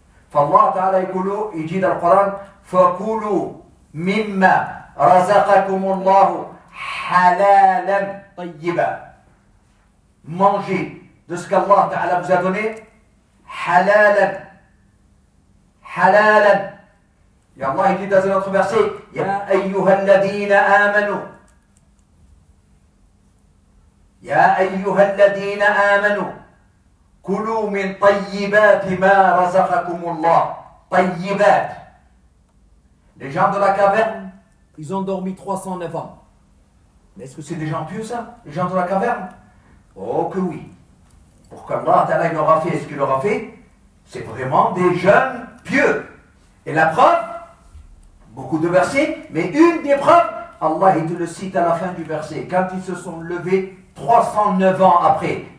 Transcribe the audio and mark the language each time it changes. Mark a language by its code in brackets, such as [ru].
[ar] فالله تعالى يقول يجي في القرآن فكلوا مما رزقكم الله حلالا طيبا. [fr] Mangez de ce qu'Allah تعالى vous a donné [ar] حلالا حلالا. يا الله يجي [fr] dans un autre verset [ar] يا أيها الذين آمنوا يا أيها الذين آمنوا كلوا من طيبات ما رزقكم الله طيبات. [fr] Les gens de la caverne, ils ont dormi 309 ans. Mais est-ce que c'est des gens pieux ça, les gens de la caverne? Oh que oui. Pour qu'Allah Ta'ala leur a fait ce qu'il leur a fait, c'est vraiment des jeunes pieux. Et la preuve, beaucoup de versets, mais une des preuves, Allah il te le cite à la fin du verset, quand ils se sont levés 309 ans après.